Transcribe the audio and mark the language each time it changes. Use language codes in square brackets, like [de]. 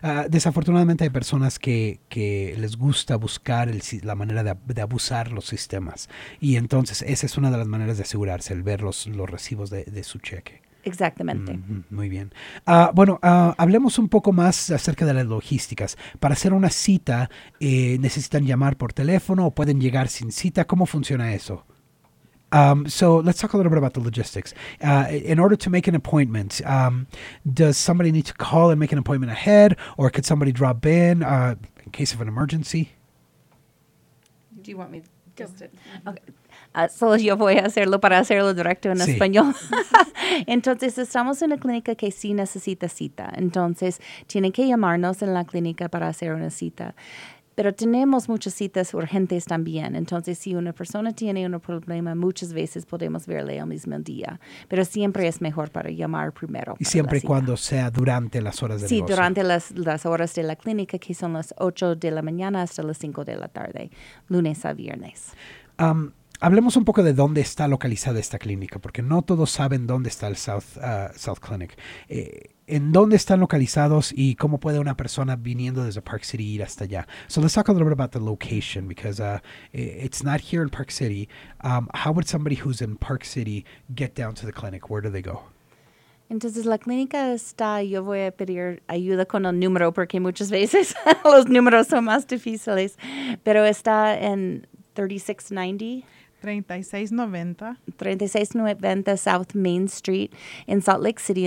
[es] Desafortunadamente hay personas que les gusta buscar la manera de abusar los sistemas, y entonces esa es una de las maneras de asegurarse, el ver los recibos de su cheque. Exactamente. Muy bien. Hablemos un poco más acerca de las logísticas. Para hacer una cita, ¿necesitan llamar por teléfono o pueden llegar sin cita? ¿Cómo funciona eso? [en] So let's talk a little bit about the logistics. In order to make an appointment, does somebody need to call and make an appointment ahead, or could somebody drop in case of an emergency? Do you want me to just it? Okay. [es] Solo yo voy a hacerlo para hacerlo directo en español. Entonces, estamos en una clínica que sí necesita cita. Entonces, tienen que llamarnos en la clínica para hacer una cita. Pero tenemos muchas citas urgentes también. Entonces, si una persona tiene un problema, muchas veces podemos verle el mismo día. Pero siempre es mejor para llamar primero. Y siempre y cuando sea durante las horas de negocio. Sí, durante las horas de la clínica, que son las 8 de la mañana hasta las 5 de la tarde, lunes a viernes. Hablemos un poco de dónde está localizada esta clínica, porque no todos saben dónde está el South Clinic. ¿En dónde están localizados y cómo puede una persona viniendo desde Park City ir hasta allá? [en] So let's talk a little bit about the location, because it's not here in Park City. How would somebody who's in Park City get down to the clinic? Where do they go? [es] Entonces, la clínica está, yo voy a pedir ayuda con el número, porque muchas veces los números son más difíciles, pero está en 3690 South Main Street en Salt Lake City.